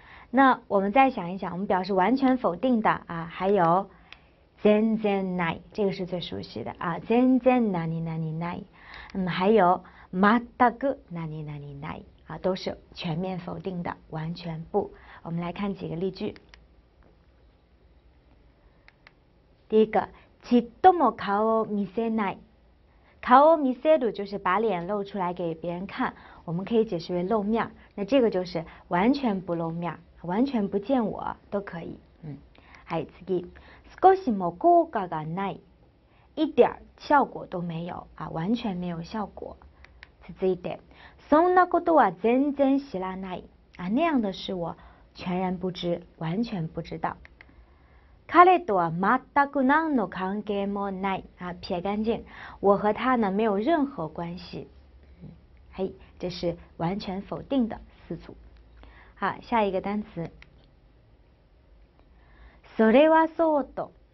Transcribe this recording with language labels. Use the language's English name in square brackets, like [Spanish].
[Chinese] 那我们再想一想，我们表示完全否定的啊，还有全然ない，这个是最熟悉的啊，全然何々ない。还有全く何々ない啊，都是全面否定的，完全不。我们来看几个例句。第一个， [Japanese] ちっとも顔を見せない。 [Chinese] 顔を見せる就是把脸露出来给别人看，我们可以解释为露面，那这个就是完全不露面，完全不见我都可以。还有次， [Japanese] 少しも効果がない， [Chinese] 一点效果都没有啊，完全没有效果。 [Japanese] 続いて、そんなことは全然知らない啊， [Chinese] 那样的事我全然不知，完全不知道。 [Japanese] 彼とは全く何の関係もない [Chinese] 啊，撇干净，我和他呢没有任何关系。嘿，这是完全否定的四组。好，下一个单词。 [Japanese] それはそうと，